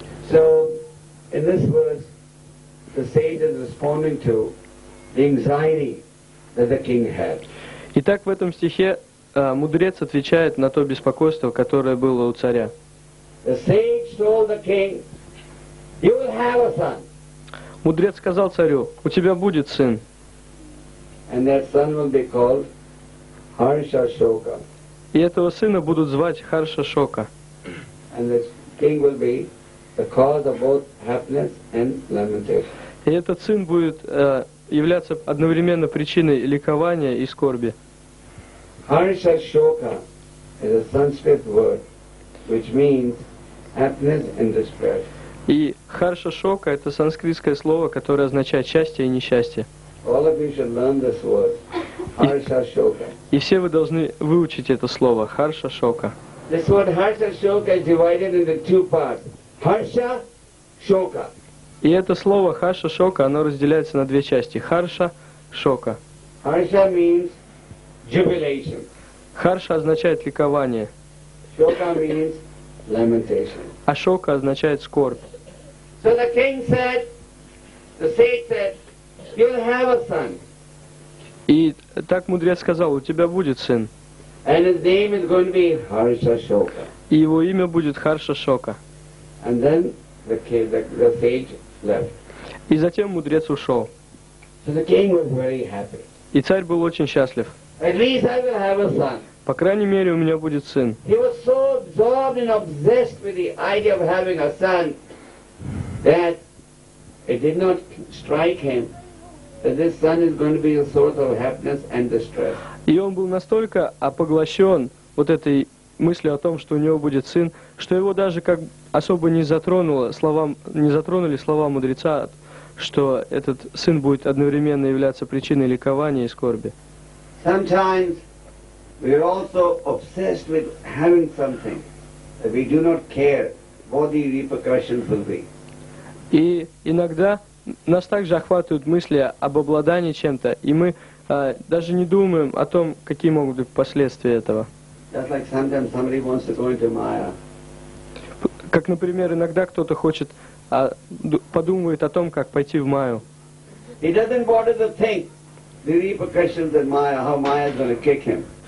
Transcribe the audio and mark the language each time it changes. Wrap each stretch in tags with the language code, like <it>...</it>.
<en>So, in this verse, the sage is responding to the anxiety that the king had.</en> <ru>Итак, в этом стихе мудрец отвечает на то беспокойство, которое было у царя.</ru> <en>The sage told the king, you will have a son.</en> <ru>Мудрец сказал царю, у тебя будет сын.</ru> <en>And that son will be called Harsha Shoka.</en> <ru>И этого сына будут звать Харша Шока.</ru> <en>And the king will be the cause of both happiness and lamentation.</en> <ru>И этот сын будет являться одновременно причиной ликования и скорби.</ru> <en>Harsha Shoka is a Sanskrit word, which means happiness and despair.</en> <ru>И Харша Шока — это санскритское слово, которое означает счастье и несчастье.</ru> <en>All of you should learn this word, Harsha Shoka.</en> <ru>И все вы должны выучить это слово Харша Шока.</ru> <en>This word Harsha Shoka is divided into two parts. Harsha Shoka.</en> <ru>И это слово Харша Шока, оно разделяется на две части. Харша Шока.</ru> <en>Harsha means jubilation.</en> <ru>Харша означает ликование.</ru> <en>Shoka means lamentation.</en> <ru>А шока означает скорбь.</ru> <en>So the king said, the sage said, you'll have a son.</en> <ru>И так мудрец сказал, у тебя будет сын.</ru> <en>And his name is going to be Harsha Shoka.</en> <ru>И его имя будет Харша Шока.</ru> <en>And then the sage left.</en> <ru>И затем мудрец ушел.</ru> <en>So the king was very happy.</en> <ru>И царь был очень счастлив.</ru> <en>At least I will have a son.</en> <ru>По крайней мере, у меня будет сын.</ru> <en>He was so absorbed and obsessed with the idea of having a son that it did not strike him that this son is going to be a source of happiness and distress.</en> <ru>И он был настолько поглощен вот этой мыслью о том, что у него будет сын, что его даже как особо не затронули слова мудреца, что этот сын будет одновременно являться причиной ликования и скорби.</ru> <en>Sometimes we are also obsessed with having something that we do not care what the repercussions will be.</en> <ru>И иногда нас также охватывают мысли об обладании чем-то, и мы даже не думаем о том, какие могут быть последствия этого.</ru> <en>Just like sometimes somebody wants to go into Maya.</en> <ru>Как, например, иногда кто-то хочет подумывает о том, как пойти в Майю.</ru> <en>He doesn't bother to think the repercussions in Maya, how Maya is going to kick him.</en>